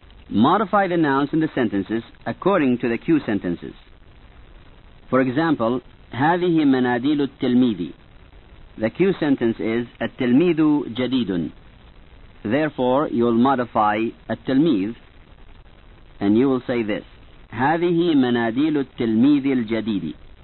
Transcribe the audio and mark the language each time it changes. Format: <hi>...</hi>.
<en>Modify the nouns in the sentences according to the cue sentences. For example,</en> <ar>هذه مناديل التلميذ.</ar> <en>The cue sentence is</en> <ar>التلميذ جديد.</ar> <en>Therefore, you'll modify التلميذ and you will say this:</en> <ar>هذه مناديل التلميذ الجديد.</ar>